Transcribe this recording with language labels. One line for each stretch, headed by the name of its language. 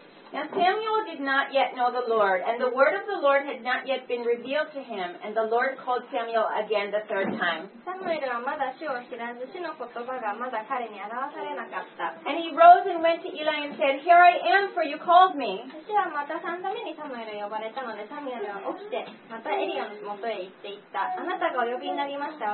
English: Now Samuel did not yet know the Lord, and the word of the Lord had not yet been revealed to him, and the Lord called Samuel again the third time.
Japanese: サムエルはまだ主を知らず、主の言葉がまだ彼に表されなかった。
English: And he rose and went to Eli and said, "Here I am, for you called me."
Japanese: 主はまた三度目にサムエルを呼ばれたので、サムエルは起きて、またエリアの元へ行って言った。あなたがお呼びになりました。